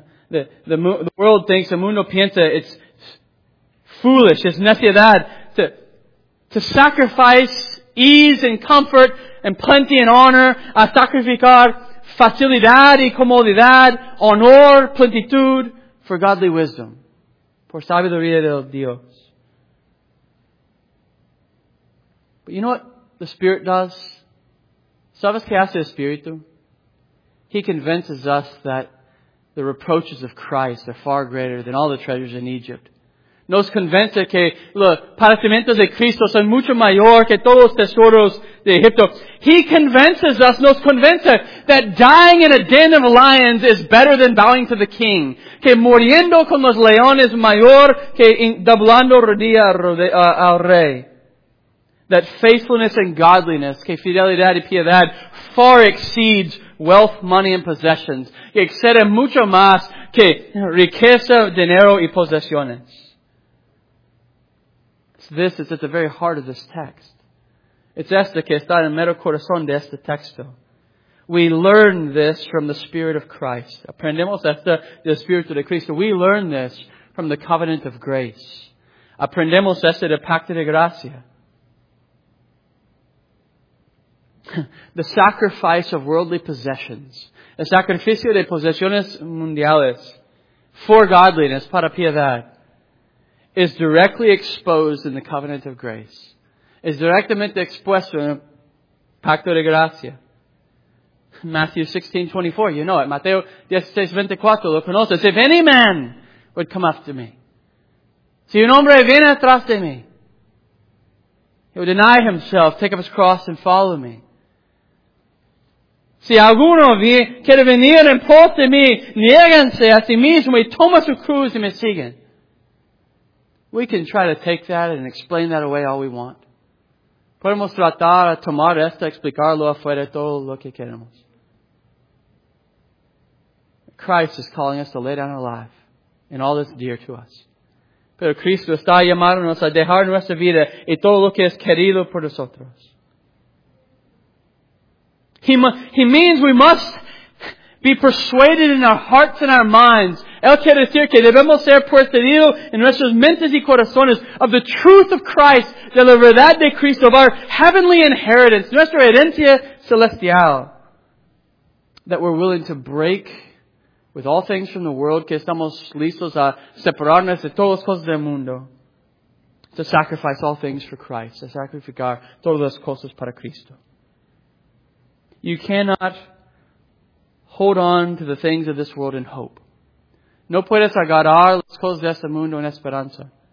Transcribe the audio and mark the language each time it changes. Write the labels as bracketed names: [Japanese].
[English] The world thinks, [Spanish] el mundo piensa, [English] it's foolish, it's necedad to sacrifice ease and comfort and plenty and honor, [Spanish] a sacrificar facilidad y comodidad, honor, plenitud, [English] for godly wisdom, [Spanish] por sabiduría de Dios. [English] But you know what the Spirit does? [Spanish] ¿Sabes qué hace el Espíritu? [English] He convinces us that the reproaches of Christ are far greater than all the treasures in Egypt. [Spanish] Nos convence que los padecimientos de Cristo son mucho mayor que todos los tesoros de Egipto. [English] He convinces us, [Spanish] nos convence, [English] that dying in a den of lions is better than bowing to the king. [Spanish] Que muriendo con los leones mayor que doblando rodilla al rey. [English] That faithfulness and godliness, [Spanish] que fidelidad y piedad, [English] far exceeds wealth, money, and possessions. [Spanish] Que excede mucho más que riqueza, dinero y posesiones. [English] This is at the very heart of this text. It's [Spanish] esto que está en el mero corazón de este texto. [English] We learn this from the Spirit of Christ. [Spanish] Aprendemos esto del Espíritu de Cristo. [English] We learn this from the covenant of grace. [Spanish] Aprendemos esto del pacto de gracia. [English] The sacrifice of worldly possessions. [Spanish] El sacrificio de posesiones mundiales [English] for godliness, [Spanish] para piedad. [English] Is directly exposed in the covenant of grace. [Spanish] Is directamente expuesto en el pacto de gracia. [English] Matthew 16:24, you know it. [Spanish] Mateo 16:24, lo conoces. [English] If any man would come after me. [Spanish] Si un hombre viene atrás de mí. [English] He would deny himself, take up his cross and follow me. [Spanish] Si alguno quiere venir en pos de mí, niéguense a sí mismo y toma su cruz y me siguen. [English] We can try to take that and explain that away all we want. [Spanish] Podemos tratar a tomar esto, explicarlo afuera todo lo que queremos. [English] Christ is calling us to lay down our life in all that's dear to us. [Spanish] Pero Cristo está llamándonos a dejar nuestra vida y todo lo que es querido por nosotros. [English] He means we must be persuaded in our hearts and our minds. [Spanish] Él quiere decir que debemos ser persuadidos en nuestras mentes y corazones [English] of the truth of Christ, [Spanish] de la verdad de Cristo, [English] of our heavenly inheritance, [Spanish] nuestra herencia celestial. [English] That we're willing to break with all things from the world, [Spanish] que estamos listos a separarnos de todas las cosas del mundo, [English] to sacrifice all things for Christ, [Spanish] to sacrificar todas las cosas para Cristo. [English] You cannot hold on to the things of this world in hope. [Spanish] No puedes agarrar las cosas de este mundo en esperanza.